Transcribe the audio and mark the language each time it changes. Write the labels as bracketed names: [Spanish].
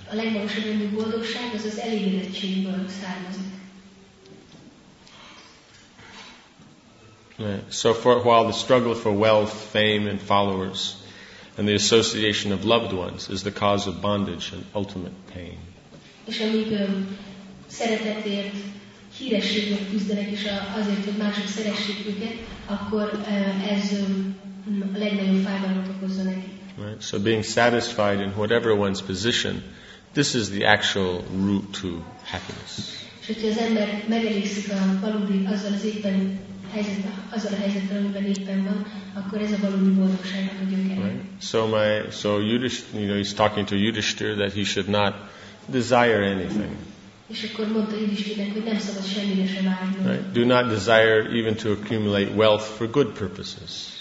[English] So for while the struggle for wealth, fame, and followers, and the association of loved ones is the cause of bondage and ultimate pain. [Hungarian] És amíg szeretetért, hírességért küzdenek, és azért, hogy mások szeressék őket, akkor ez a legnagyobb fájdalmat okozza neki. [English] Right. So being satisfied in whatever one's position, this is the actual route to happiness. [Hungarian] És hogyha az ember megelégszik a valódi, azzal az éppen helyzetben, azzal a helyzetben, amiben éppen van, akkor ez a valódi boldogságnak a gyökere. [English] So Yudhishthira, you know, he's talking to Yudhishthira that he should not desire anything. Right? Do not desire even to accumulate wealth for good purposes.